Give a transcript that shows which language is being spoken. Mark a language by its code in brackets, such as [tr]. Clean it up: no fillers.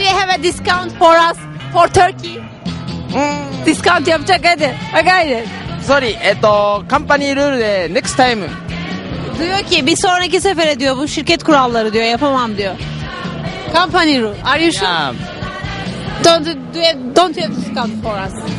[en] Do you have a discount for us for Turkey? [tr] Discount yapacak hadi. Hadi. [en] Sorry, company rule de next time. [tr] Diyor ki bir sonraki sefere diyor, bu şirket kuralları diyor, yapamam diyor. [en] Company rule. Are you sure? Yeah. Don't you have discount for us?